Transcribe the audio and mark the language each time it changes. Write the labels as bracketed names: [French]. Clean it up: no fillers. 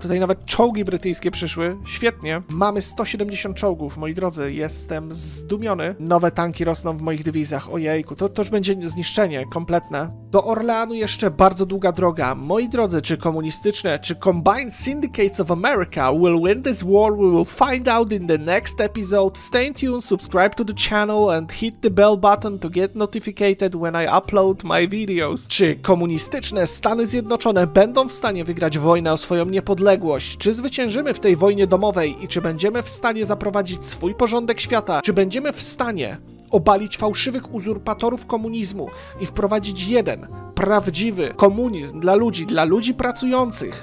[Polish] Tutaj nawet czołgi brytyjskie przyszły. Świetnie. Mamy 170 czołgów, moi drodzy. Jestem zdumiony. Nowe tanki rosną w moich dywizjach. Ojejku, to już będzie zniszczenie kompletne. Do Orleanu jeszcze bardzo długa droga. Moi drodzy, czy komunistyczne, czy Combined Syndicates of America [English] will win this war? We will find out in the next episode. Stay tuned, subscribe to the channel and hit the bell button to get notified when I upload my videos. [Polish] Czy komunistyczne Stany Zjednoczone będą w stanie wygrać wojnę o swoją niepodległość? Czy zwyciężymy w tej wojnie domowej? I czy będziemy w stanie zaprowadzić swój porządek świata? Czy będziemy w stanie obalić fałszywych uzurpatorów komunizmu i wprowadzić jeden, prawdziwy komunizm dla ludzi pracujących?